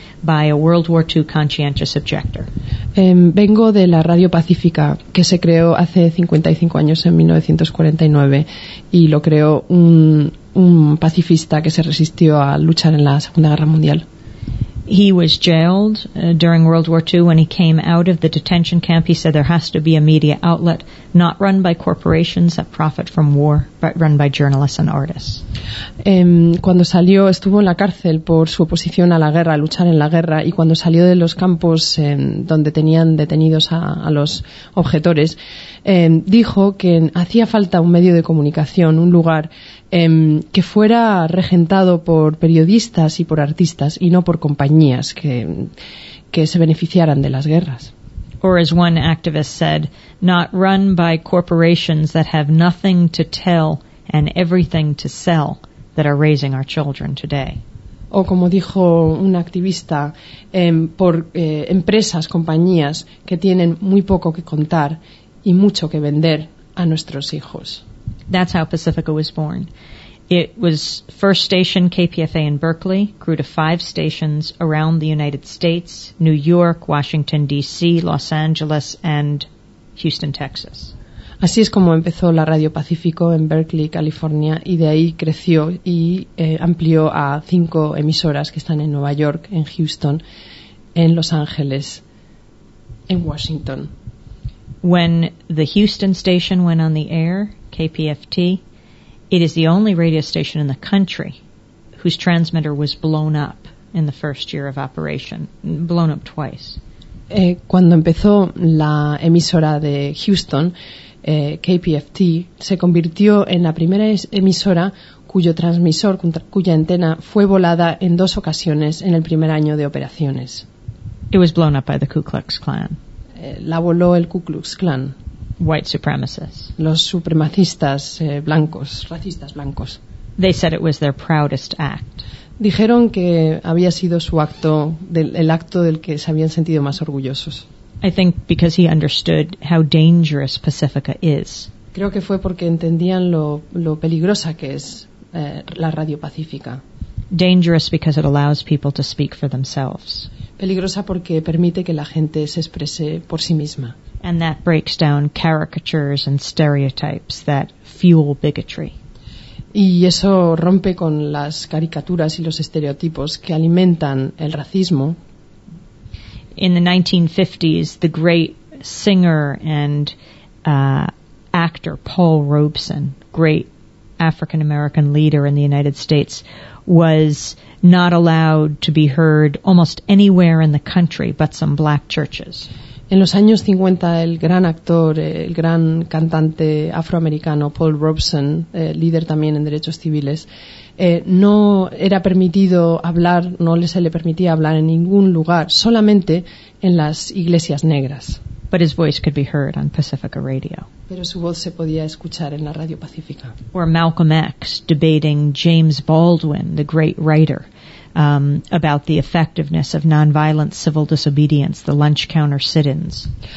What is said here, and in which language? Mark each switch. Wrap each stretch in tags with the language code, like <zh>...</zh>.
<en>By a World War II conscientious objector.</en> <es>Vengo de la Radio Pacífica, que se creó hace 55 años, en 1949, y lo creó un pacifista que se resistió a luchar en la Segunda Guerra Mundial.</es> <en>He was jailed during World War II. When he came out of the detention camp, he said there has to be a media outlet not run by corporations that profit from war, but run by journalists and artists.</en> <es>Cuando salió, estuvo en la cárcel por su oposición a la guerra, a luchar en la guerra, y cuando salió de los campos donde tenían detenidos a los objetores, dijo que hacía falta un medio de comunicación, un lugar que fuera regentado por periodistas y por artistas y no por compañías que se beneficiaran de las guerras.</es> <en>Or as one activist said, not run by corporations that have nothing to tell and everything to sell that are raising our children today.</en> <es>O como dijo un activista, por empresas, compañías que tienen muy poco que contar y mucho que vender a nuestros hijos.</es> <en>That's how Pacifica was born. It was first station KPFA in Berkeley, grew to 5 stations around the United States, New York, Washington, D.C., Los Angeles, and Houston, Texas.</en> <es>Así es como empezó la Radio Pacífico en Berkeley, California, y de ahí creció y amplió a 5 emisoras que están en Nueva York, en Houston, en Los Ángeles, en Washington.</es> <en>When the Houston station went on the air, KPFT, it is the only radio station in the country whose transmitter was blown up in the first year of operation, blown up twice.</en> <es>Cuando empezó la emisora de Houston, KPFT, se convirtió en la primera emisora cuyo transmisor, cuya antena fue volada en 2 ocasiones en el primer año de operaciones.</es> <en>It was blown up by the Ku Klux Klan.</en> <es>La voló el Ku Klux Klan.</es> <en>White supremacists.</en> <es>Los supremacistas blancos, racistas blancos.</es> <en>They said it was their proudest act.</en> <es>Dijeron que había sido su acto, el acto del que se habían sentido más orgullosos.</es> <en>I think because he understood how dangerous Pacifica is.</en> <es>Creo que fue porque entendían lo peligrosa que es la Radio Pacífica.</es> <en>Dangerous because it allows people to speak for themselves.</en> <es>Peligrosa porque permite que la gente se exprese por sí misma.</es> <en>And that breaks down caricatures and stereotypes that fuel bigotry.</en> <es>Y eso rompe con las caricaturas y los estereotipos que alimentan el racismo.</es> <en>In the 1950s, the great singer and actor Paul Robeson, great African American leader in the United States, was not allowed to be heard almost anywhere in the country but some black churches.</en> <es>En los años 50, el gran actor, el gran cantante afroamericano Paul Robeson, líder también en derechos civiles, no era permitido hablar, no se le permitía hablar en ningún lugar, solamente en las iglesias negras.</es> <en>But his voice could be heard on Pacifica Radio.</en> <es>Pero su voz se podía escuchar en la Radio Pacífica.</es> <en>Or Malcolm X debating James Baldwin, the great writer, about the effectiveness of nonviolent civil disobedience, the lunch counter sit-ins.</en>